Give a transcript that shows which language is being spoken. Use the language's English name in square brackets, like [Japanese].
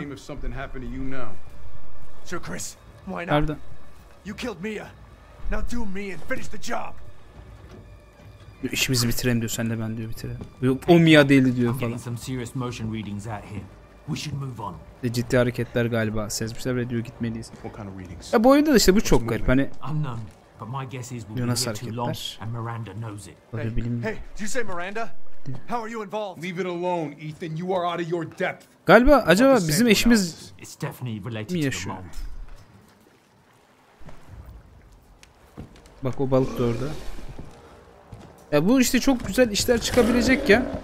[English] Shame if something happened to you now. Sir Chris, why not? Pardon. You killed Mia. Now do me and finish the job. [Turkish] İşimizi bitirelim diyor, senle ben diyor bitirelim. Yok, o Mia değildi diyor falan. [English] Some serious motion readings out here. We should move on. [Turkish] Ciddi hareketler galiba. Sezmişler ve diyor gitmeliyiz. [English] What kind of readings? [Turkish] Ya bu oyunda da işte bu çok garip. Hani [English] but my guess is we've been here too long and Miranda knows it. Hey, did you say Miranda? How are you involved? Leave it alone, Ethan. You are out of your depth. [Turkish] Galiba acaba bizim eşimiz mi yaşıyor? Bak o balık da orada. Ya bu işte çok güzel işler çıkabilecek ya.